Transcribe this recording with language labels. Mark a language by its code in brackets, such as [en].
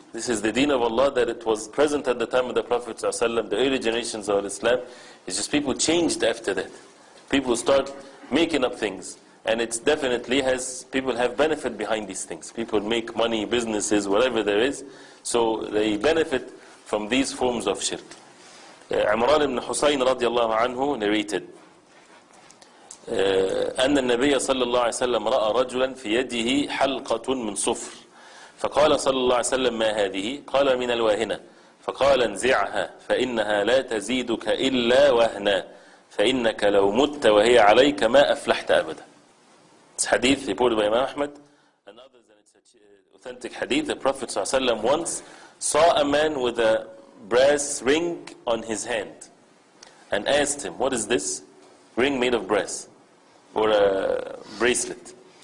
[en] This is the deen of Allah, that it was present at the time of the Prophet ﷺ, the early generations of Islam. It's just people changed after that. People start making up things. And it's definitely has, people have benefit behind these things. People make money, businesses, whatever there is. So they benefit from these forms of shirk. [ar] Amran ibn Husayn radiallahu anhu narrated, أن النبي صلى الله عليه وسلم رأى رجلا في يده حلقة من صفر. فقال صلى الله عليه وسلم ما هذه؟ قال من الواهنة. فقال انزعها فإنها لا تزيدك إلا وهنا. فإنك لو مت وهي عليك ما أفلحت أبدا. [en] It's hadith reported by Imam Ahmad and others, and it's an authentic hadith. The Prophet ﷺ once saw a man with a brass ring on his hand and asked him, what is this ring made of brass or a bracelet?